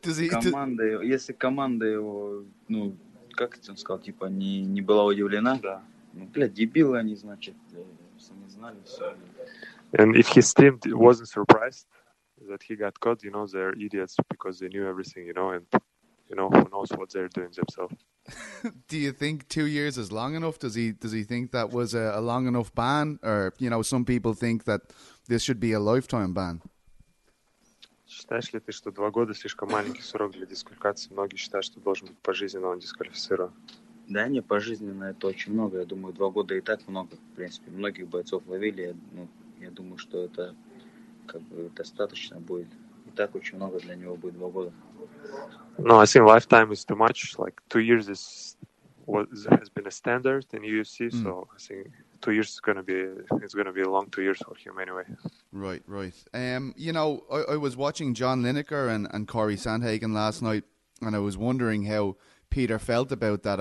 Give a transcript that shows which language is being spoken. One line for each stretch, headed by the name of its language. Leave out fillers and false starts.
Russian: Команда, если команда его, ну, как это он сказал, типа не была удивлена. Да. Ну, бля, дебилы они, значит, сами знали все.
English: And if his team wasn't surprised that he got caught, you know, they're idiots because they knew everything, you know, and you know, who knows what they're doing themselves. Do you think 2 years is long enough? Does he think that was a long enough ban? Or, you know, some people think that this should be a lifetime ban.
Russian: Считаешь ли ты, что 2 года слишком маленький срок для дисквалификации? Многие считают, что должен быть пожизненно он дисквалифицирован. Да не, пожизненно это очень много. Я думаю, 2 года и так много. В принципе, многих бойцов ловили. Ну, я думаю, что это как бы достаточно будет. И так очень много для него будет 2 года.
English: No, I think lifetime is too much. Like 2 years is what has been a standard in UFC. Mm. So I think 2 years is gonna be a long 2 years for him anyway. Right, right. You know, I was watching John Lineker and Corey Sandhagen last night, and I was wondering how Peter felt about that.